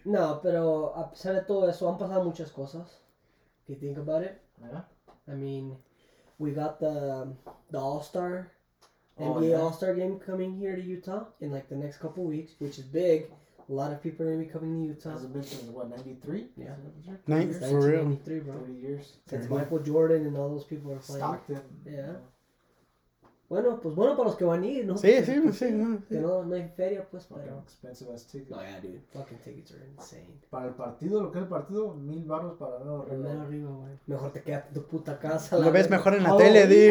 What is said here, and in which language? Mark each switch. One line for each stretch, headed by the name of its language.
Spanish: No, pero a pesar de todo eso, han pasado muchas cosas.
English: If you think about it. Yeah. I mean, we got the All-Star. NBA All-Star game coming here to Utah in like the next couple weeks, which is big. A lot of people are going to be coming to Utah. Has it been since, what, 93? Yeah. 90, for 93, real. 93, bro. 30 years. Since Michael Jordan and all those people are playing. Stockton. Yeah.
Spanish: Bueno, pues bueno para los que van a ir, ¿no? Sí, sí, sí. Sí. Que no, no hay feria, pues, para.
English: Okay, expensive as tickets. No, yeah, dude. Fucking tickets are insane.
Spanish: Para el partido, lo que es el partido, 1,000 baros para el arriba. El menos arriba, güey. Mejor te quedas tu puta casa. Lo ves mejor en la tele,
English: dude.